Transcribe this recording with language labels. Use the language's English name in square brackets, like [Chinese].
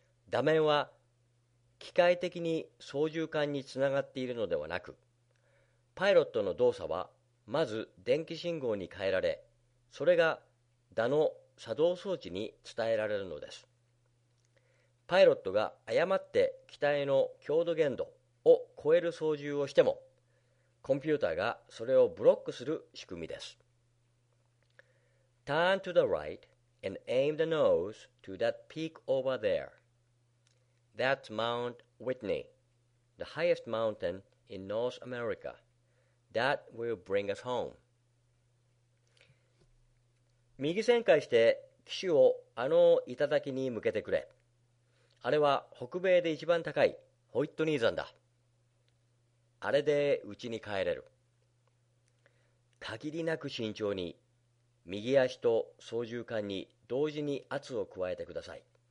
[Japanese] 座面は機械的に操縦桿につながっているのではなく、パイロットの動作はまず電気信号に変えられ、それが座の作動装置に伝えられるのです。パイロットが誤って機体の強度限度、を超える操縦をしても、コンピューターがそれをブロックする仕組みです。 [English] Turn to the right and aim the nose to that peak over there. That's Mount Whitney, the highest mountain in North America. That will bring us home. [Japanese] 右旋回して機首をあの頂に向けてくれ。あれは北米で一番高いホイットニー山だ。あれで家に帰れる。限りなく慎重に、右足と操縦桿に同時に圧を加えてください。